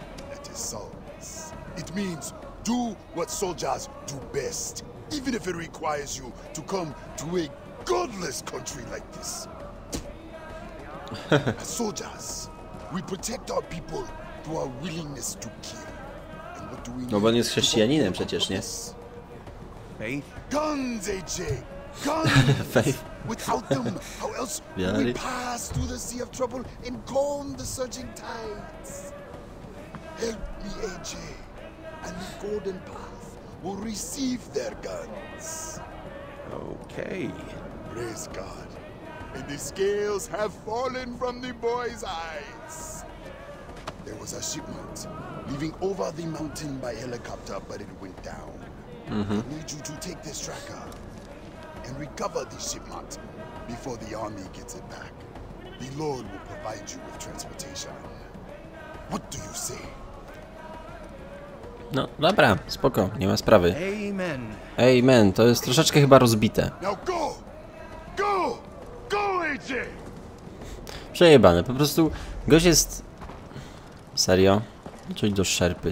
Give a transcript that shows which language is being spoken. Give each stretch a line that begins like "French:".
English: That is solace. It means do what soldiers do best, even if it requires you to come to a godless country like this. As soldiers, we protect our people through our willingness to kill.
Polish: No bo on jest chrześcijaninem przecież, nie?
English: Guns, AJ! Guns! Without them, how else will we pass through the sea of trouble and calm the surging tides? Help me, AJ, and the Golden Path will receive their guns. Okay. Praise God, and the scales have fallen from the boy's eyes. There was a shipment leaving over the mountain by helicopter, but it went down. Mm-hmm. I need you to take this tracker and recover the shipment before the army gets it back. The Lord will provide you with transportation. What do you say?
Polish: No, dobra, spoko, nie ma sprawy.
English: Amen.
Polish: Amen, to jest troszeczkę chyba rozbite.
English: Now go! Go! Go, AJ!
Polish: Przejebane, po prostu gość jest... Serio? Czyli do Szerpy.